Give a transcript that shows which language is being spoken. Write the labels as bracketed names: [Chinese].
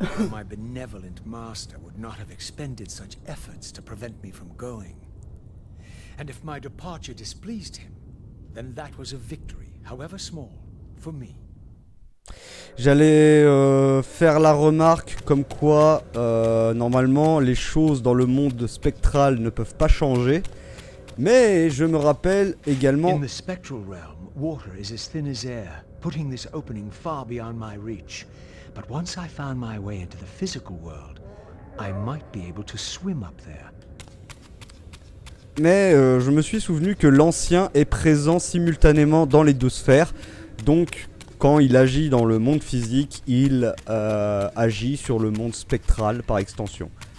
[English] My benevolent master would not have expended such efforts to prevent me from going. And if my departure displeased him, then that was a victory, however small, for me. [French] J'allais faire la remarque comme quoi normalement les choses dans le monde spectral ne peuvent pas changer, mais je me rappelle également. [English] In the spectral realm, water is as thin as air. Putting this opening far beyond my reach, but once I found my way into the physical world, I might be able to swim up there. [French] Mais je me suis souvenu que l'ancien est présent simultanément dans les deux sphères, donc quand il agit dans le monde physique, il agit sur le monde spectral par extension.